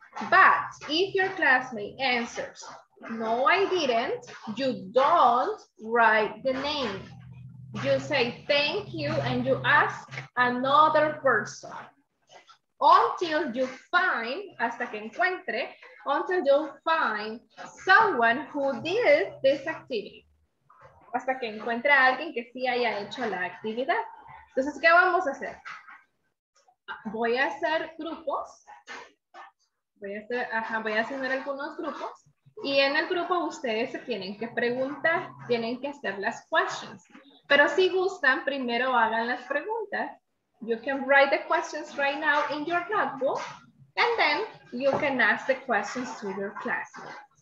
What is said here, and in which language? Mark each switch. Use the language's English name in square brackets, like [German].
[English] But if your classmate answers, no, I didn't, you don't write the name. you say thank you and you ask another person until you find, [Spanish] hasta que encuentre, [English] until you find someone who did this activity. [Spanish] Hasta que encuentre a alguien que sí haya hecho la actividad. Entonces, ¿qué vamos a hacer? Voy a hacer grupos. Voy a hacer algunos grupos. Y en el grupo ustedes se tienen que preguntar, tienen que hacer las questions. Pero si gustan, primero hagan las preguntas. [English] You can write the questions right now in your notebook. And then you can ask the questions to your classmates.